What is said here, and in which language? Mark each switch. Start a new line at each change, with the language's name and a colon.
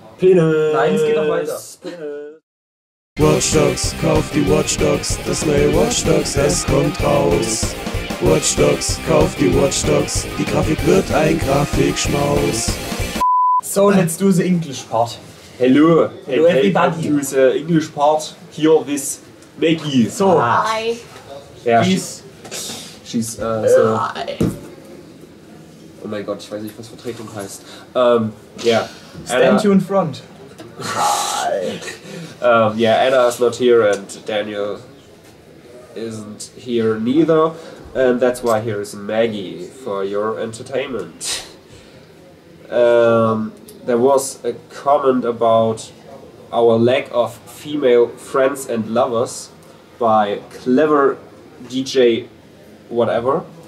German: Penis! Nein, es geht noch weiter. Penis. Watch Dogs, kauf die Watch Dogs, das neue Watch Dogs, es kommt raus. Watch Dogs, kauf die Watch Dogs, die Grafik wird ein Grafikschmaus.
English: So, let's do the English part. Hello, hello everybody. Let's do the English part here with Maggie. So, hi. Yeah, she's so.
German: Oh mein Gott, ich weiß nicht, was Vertretung heißt.
English: Yeah. Stand you in front. Hi. Anna is not here and Daniel isn't here neither, and that's why here is Maggie for your entertainment. There was a comment about our lack of female friends and lovers by clever DJ whatever.